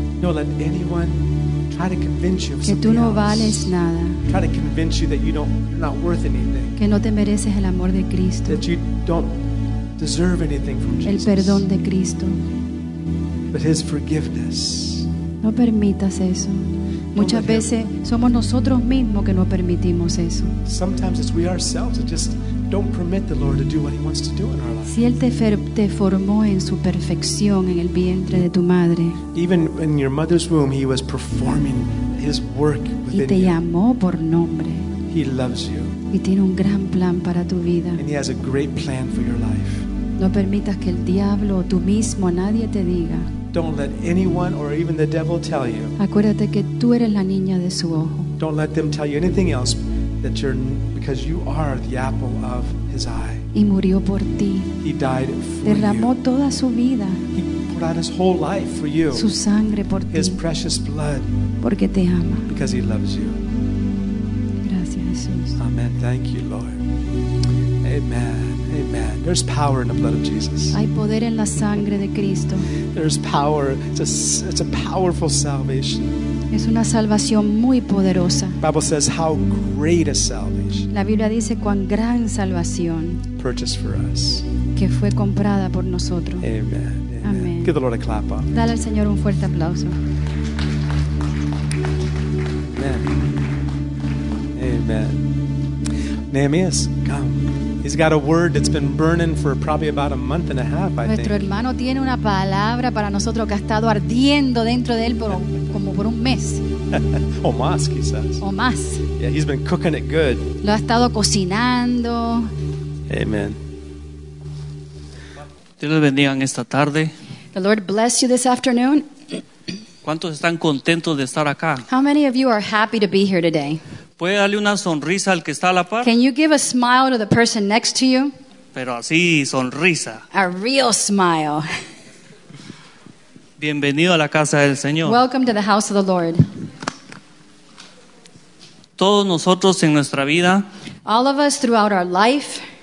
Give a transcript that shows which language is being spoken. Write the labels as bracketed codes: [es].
[en] No let anyone try to convince you of [es] que tú no vales nada. [en] Try to convince you that you don't, you're not worth anything. [es] Que no te mereces el amor de Cristo. [en] That you don't deserve anything from Jesus. [es] El perdón de Cristo. [en] But His forgiveness. [es] No permitas eso. Muchas veces somos nosotros mismos que no permitimos eso. [en] Sometimes it's we ourselves that just don't permit the Lord to do what He wants to do in our life. [es] Si Él te formó en su perfección en el vientre de tu madre. [en] Even in your mother's womb, He was performing His work within you. [es] Y te llamó por nombre. [en] He loves you. [es] Y tiene un gran plan para tu vida. [en] And He has a great plan for your life. [es] No permitas que el diablo o tú mismo nadie te diga. [en] Don't let anyone or even the devil tell you. [es] Acuérdate que tú eres la niña de su ojo. [en] Don't let them tell you anything else that you're because you are the apple of His eye. [es] Y murió por ti. [en] He died for you. [es] Derramó toda su vida. [en] He poured out His whole life for you. [es] Su sangre por ti. [en] His precious blood. [es] Porque te ama. [en] Because He loves you. [es] Gracias, Jesús. [en] Amen. Thank you, Lord. Amen. Amen. There's power in the blood of Jesus. [es] Hay poder en la sangre de Cristo. [en] There's power. It's a powerful salvation. [es] Es una salvación muy poderosa. [en] The Bible says how great a salvation. [es] La Biblia dice cuán gran salvación. [en] Purchased for us. [es] Que fue comprada por nosotros. [en] Amen. Amen. Amen. Give the Lord a clap. On. [es] Dale al Señor un fuerte aplauso. [en] Amen. Amen. Nehemiah, come. He's got a word that's been burning for probably about a month and a half, I think. [es] Nuestro hermano tiene una palabra para nosotros que ha estado ardiendo dentro de él por como por un mes. O más, quizás. O más. [en] Yeah, he's been cooking it good. [es] Lo ha estado cocinando. Amen. Dios les bendiga en esta tarde. [en] The Lord bless you this afternoon. [es] ¿Cuántos están contentos de estar acá? [en] How many of you are happy to be here today? [es] ¿Puede darle una sonrisa al que está a la par? [en] Can you give a smile to the person next to you? [es] Pero así, sonrisa. [en] A real smile. [es] Bienvenido a la casa del Señor. [en] Welcome to the house of the Lord. [es] Todos nosotros en nuestra vida, [en] all of us throughout our life,